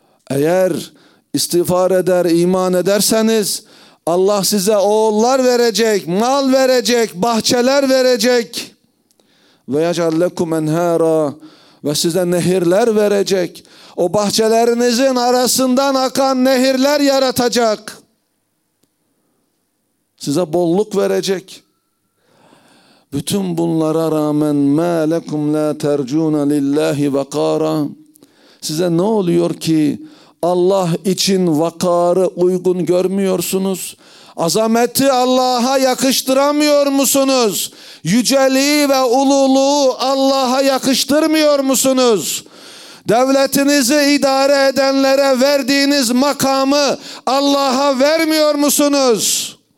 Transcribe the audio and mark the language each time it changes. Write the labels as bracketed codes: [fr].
[tr] Eğer istiğfar eder, iman ederseniz Allah size oğullar verecek, mal verecek, bahçeler verecek. [ar] Ve yec'al lekum enhara. [tr] Ve size nehirler verecek. O bahçelerinizin arasından akan nehirler yaratacak. Size bolluk verecek. Bütün bunlara rağmen [ar] مَا لَكُمْ لَا تَرْجُونَ لِلَّهِ وَقَارًا. [tr] Size ne oluyor ki Allah için vakarı uygun görmüyorsunuz? Azameti Allah'a yakıştıramıyor musunuz? Yüceliği ve ululuğu Allah'a yakıştırmıyor musunuz? Devletinizi idare edenlere verdiğiniz makamı Allah'a vermiyor musunuz?